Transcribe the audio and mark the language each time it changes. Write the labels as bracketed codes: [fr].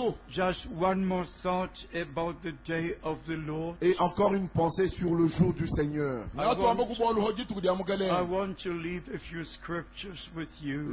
[en] Just one more thought about the day of the Lord. [fr] Et encore une pensée sur le jour du Seigneur. [en] I want to leave a few scriptures with you.